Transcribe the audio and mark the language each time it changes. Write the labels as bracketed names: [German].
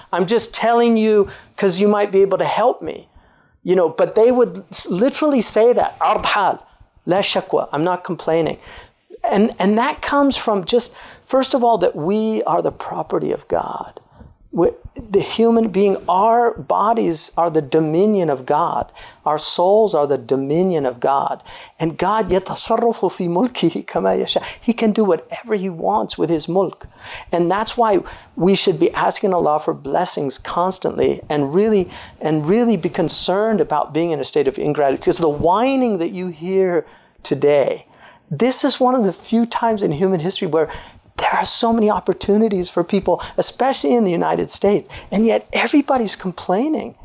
[English] I'm just telling you because you might be able to help me. You know, but they would literally say that, [Arabic] ardhal, la shakwa, [English] I'm not complaining. And that comes from just, first of all, that we are the property of God. The human being, our bodies are the dominion of God. Our souls are the dominion of God. [Arabic] And God, يَتَصَرَّفُ فِي مُلْكِهِ كَمَا يَشَاءُ. [English] He can do whatever He wants with His mulk. And that's why we should be asking Allah for blessings constantly and really be concerned about being in a state of ingratitude. Because the whining that you hear today, this is one of the few times in human history where there are so many opportunities for people, especially in the United States, and yet everybody's complaining.